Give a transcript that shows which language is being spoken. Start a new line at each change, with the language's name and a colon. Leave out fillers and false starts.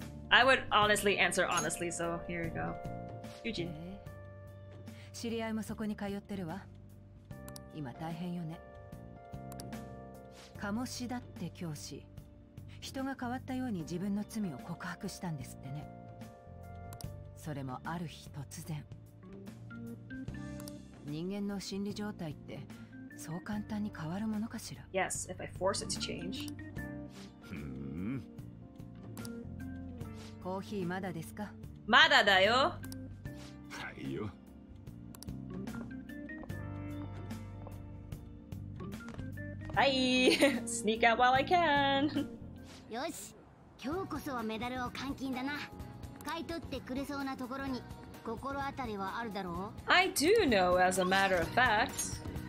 English: I would honestly answer honestly, so here you go. Eugene.
Japanese: 知り合いもそこに通ってるわ。今大変よね。鴨志田って教師、人が変わったように自分の罪を告白したんですってね。それもある日突然。人間の心理状態ってそう簡単に変わるものかしら。
English: Yes, if I force it to change.
Japanese: コーヒーまだですか？まだだよ。はいよ。はい。
English: Sneak out while I can.
Japanese: よし、今日こそはメダルを換金だな。買い取ってくれそうなところに心当たりはあるだろう。
English: I do know, as a matter of fact.